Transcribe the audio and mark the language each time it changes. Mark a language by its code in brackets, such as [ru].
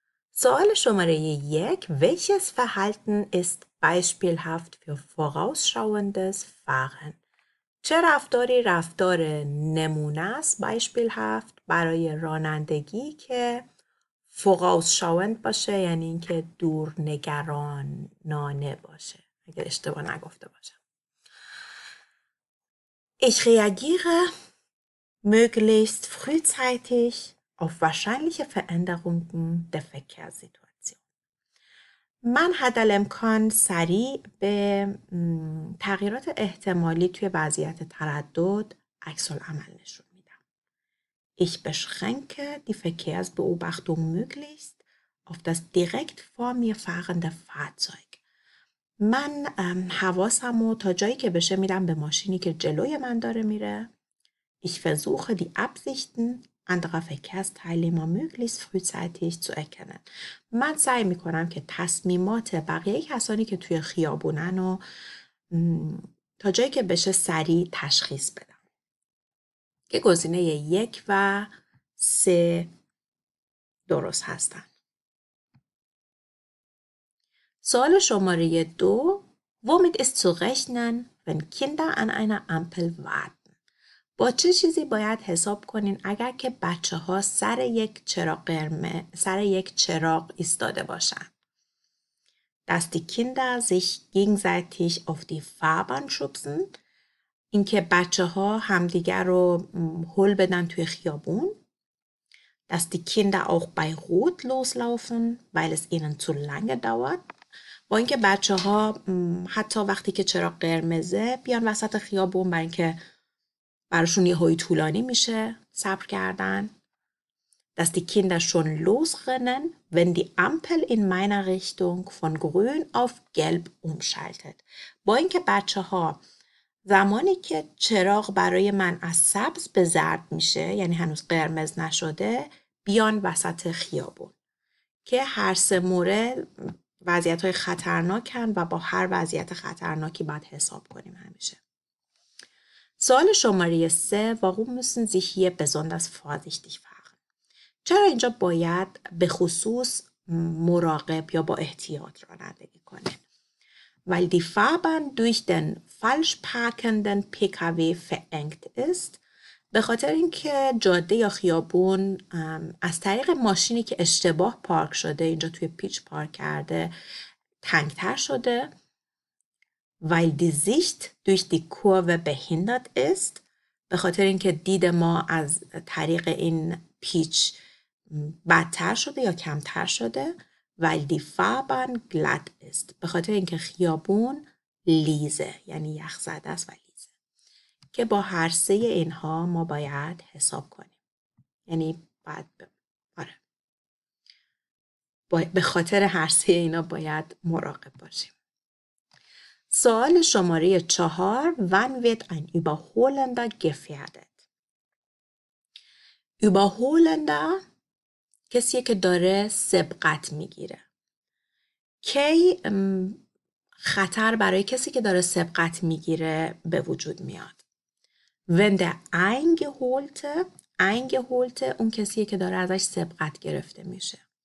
[fa] سوال شماره 1: [de] Welches Verhalten ist beispielhaft für vorausschauendes Fahren؟ [fa] چه رفتاری رفتار نمونه است beispielhaft برای رانندگی که vorausschauend باشه، یعنی اینکه دور نگرانانه باشه، اگر اشتباه نگفته باشم. [de] Ich reagiere möglichst frühzeitig auf wahrscheinliche Veränderungen der Verkehrssituation. [fa] من حدال امکان سریع به تغییرات احتمالی توی وضعیت تردد عکس العمل نشون. [de] Ich beschränke die Verkehrsbeobachtung möglichst auf das direkt vor mir fahrende Fahrzeug. [fa] Man حواسمو تا جایی که بشه میدم به ماشینی که جلوی من داره میره. [de] Ich versuche die Absichten anderer Verkehrsteilnehmer möglichst frühzeitig zu erkennen. [fa] Man سعی میکنم که تصمیمات بقیه کسانی که توی خیابونن و تا جایی که بشه سریع تشخیص بدم. که گزینه 1 و 3 درست هستند. سوال شماره 2: [de] Womit ist zu rechnen, wenn Kinder an einer Ampel warten? [fa] با چه چیزی باید حساب کنین اگر که بچه ها سر یک چراغ قرمز، سر یک چراغ ایستاده باشند؟ [de] Dass die Kinder sich gegenseitig auf die Fahrbahn schubsen. [fa] اینکه بچه ها همدیگر رو هل بدن توی خیابون. [de] Dass die Kinder auch bei Rot loslaufen, weil es ihnen zu lange dauert. [fa] با اینکه بچه ها حتی وقتی که چراغ قرمزه بیان وسط خیابون برای اینکه براشون یه هایی طولانی میشه صبر کردن. [de] Dass die Kinder schon losrennen, wenn die Ampel in meiner Richtung von grün auf gelb umschaltet. [fa] با اینکه بچه ها زمانی که چراغ برای من از سبز به زرد میشه، یعنی هنوز قرمز نشده، بیان وسط خیابون. که هر سه مورد وضعیت‌های خطرناکن و با هر وضعیت خطرناکی باید حساب کنیم همیشه. سوال شماره 3: [de] Warum müssen Sie hier besonders vorsichtig fahren؟ [fa] چرا اینجا باید به خصوص مراقب یا با احتیاط رانندگی کنیم؟ [de] Weil die Fahrbahn durch den falsch parkenden PKW verengt ist. [fa] به خاطر اینکه جاده یا خیابون از طریق ماشینی که اشتباه پارک شده اینجا توی پیچ پارک کرده تنگتر شده. [de] Weil die Sicht durch die Kurve behindert ist. [fa] به خاطر اینکه دید ما از طریق این پیچ بدتر شده یا کمتر شده. [de] Weil die Fahrbahn glatt ist. [fa] به خاطر اینکه خیابون لیزه، یعنی یخ زده است و لیزه. که با هر سه اینها ما باید حساب کنیم. یعنی باید به خاطر هر سه اینا باید مراقب باشیم. سوال شماره 4: [de] Wann wird ein Überholender gefährdet? [fa] Überholender کسی که داره سبقت میگیره. کی خطر برای کسی که داره سبقت میگیره به وجود میاد؟ [de] Wenn der Eingeholte, Eingeholte [fa] اون کسی که داره ازش سبقت گرفته میشه.